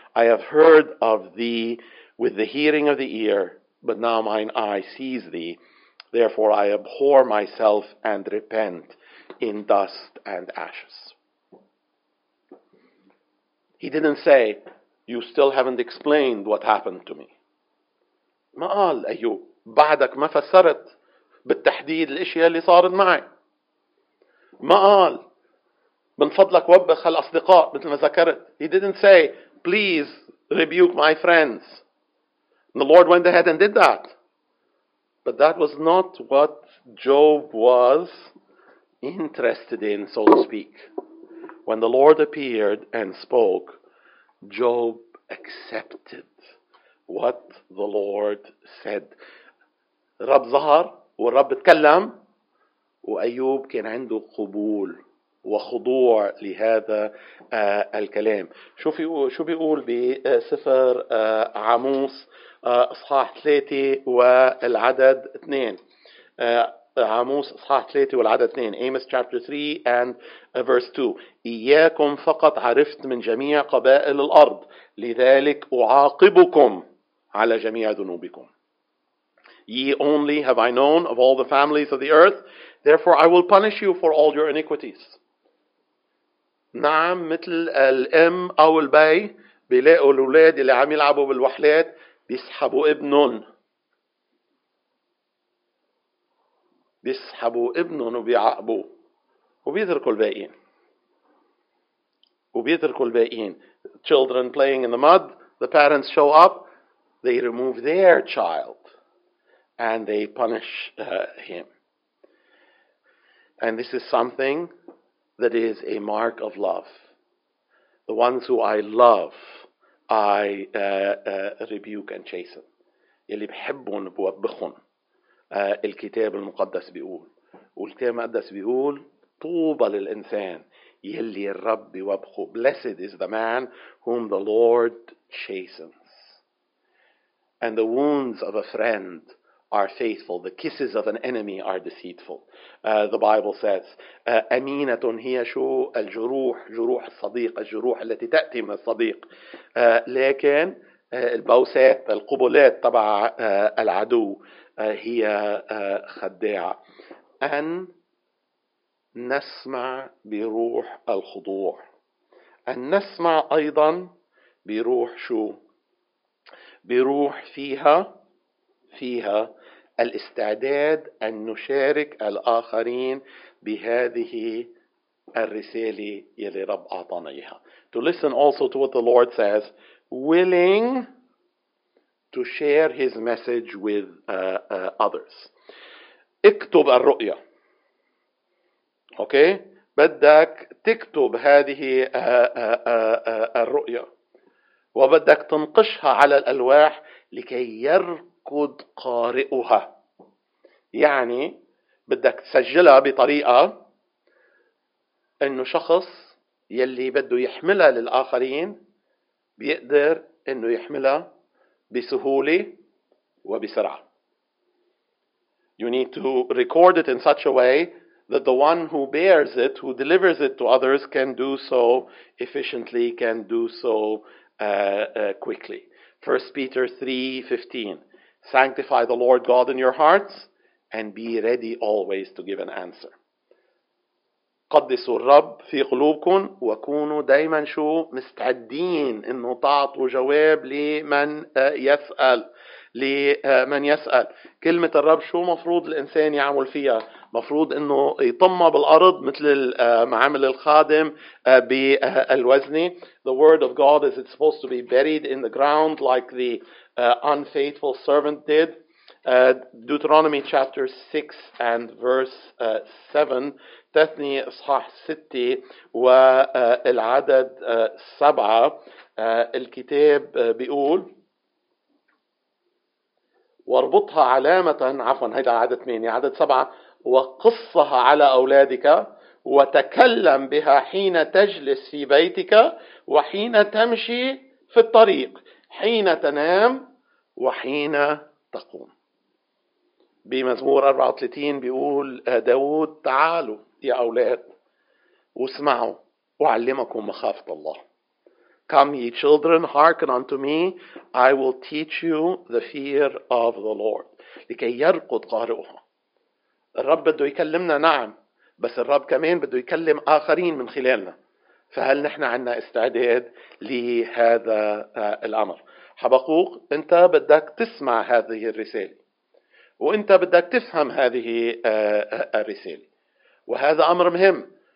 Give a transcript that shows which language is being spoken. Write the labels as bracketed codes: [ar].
[en] I have heard of thee with the hearing of the ear, but now mine eye sees thee. Therefore I abhor myself and repent in dust and ashes. He didn't say, you still haven't explained what happened to me. [ar] ما قال أيوب بعدك ما فسرت بالتحديد الأشياء اللي صارت معي. ما قال من فضلك وبخ الأصدقاء مثل ما ذكرت. [en] He didn't say, please rebuke my friends. And the Lord went ahead and did that. But that was not what Job was interested in, so to speak. When the Lord appeared and spoke, Job accepted what the Lord said. [ar] رب ظهر والرب تكلم وأيوب كان عنده قبول وخضوع لهذا الكلام. شو بيقول بسفر عاموس إصحاح 3 والعدد 2. عاموس إصحاح 3 والعدد 2. [en] Amos chapter 3 and verse 2. [ar] إياكم فقط عرفت من جميع قبائل الأرض، لذلك أعاقبكم على جميع ذنوبكم. [en] Ye only have I known of all the families of the earth, therefore I will punish you for all your iniquities. [ar] نعم مثل الام او البي بيلاقوا الاولاد اللي عم يلعبوا بالوحلات بيسحبوا ابنهم. بيسحبوا ابنهم وبيعاقبوا وبيتركوا الباقيين. وبيتركوا الباقيين. [en] Children playing in the mud, the parents show up, they remove their child and they punish him. And this is something that is a mark of love. The ones who I love, I rebuke and chasten. [ar] يلي بحبهم بوبخهم. الكتاب المقدس بيقول. والكتاب المقدس بيقول طوبى للإنسان يلي الرب بيوبخه. [en] Blessed is the man whom the Lord chastens. And the wounds of a friend are faithful. The kisses of an enemy are deceitful. The Bible says, [ar] أمينة هي شو الجروح، جروح الصديق، الجروح التي تأتي من الصديق. لكن البوسات، القبلات تبع العدو هي خداعة. أن نسمع بروح الخضوع. أن نسمع أيضا بروح شو؟ بروح فيها الاستعداد أن نشارك الآخرين بهذه الرسالة يلي رب أعطانا إياها. [en] To listen also to what the Lord says, willing to share His message with others. [ar] اكتب الرؤية. Okay؟ بدك تكتب هذه الرؤية وبدك تنقشها على الألواح لكي يركض قارئها. يعني بدك تسجلها بطريقة انه شخص يلي بده يحملها للآخرين بيقدر انه يحملها بسهولة وبسرعة. [en] You need to record it in such a way that the one who bears it, who delivers it to others, can do so efficiently, can do so quickly. 1 Peter 3:15. Sanctify the Lord God in your hearts and be ready always to give an answer. [ar] قدسوا الرب في قلوبكم وكونوا دائما شو مستعدين انه تعطوا جواب لمن يسأل. لمن يسأل كلمة الرب شو مفروض الإنسان يعمل فيها؟ مفروض انه يطمى بالأرض مثل معامل الخادم بالوزن. [en] The word of God is it supposed to be buried in the ground like the unfaithful servant did. Deuteronomy chapter 6 and verse 7. [ar] تثني إصحاح 6 والعدد 7. الكتاب بيقول واربطها علامة، عفوا هيدا عدد 8، عدد 7، وقصها على أولادك وتكلم بها حين تجلس في بيتك وحين تمشي في الطريق حين تنام وحين تقوم. بمزمور 34 بيقول داود تعالوا يا أولاد واسمعوا وأعلمكم مخافة الله. [en] Come ye children, hearken unto me, I will teach you the fear of the Lord. [ar] لكي يرقد قارئها. الرب بده يكلمنا نعم، بس الرب كمان بده يكلم آخرين من خلالنا. فهل نحن عنا استعداد لهذا الأمر؟ حبقوق، أنت بدك تسمع هذه الرسالة وأنت بدك تفهم هذه الرسالة، وهذا أمر مهم.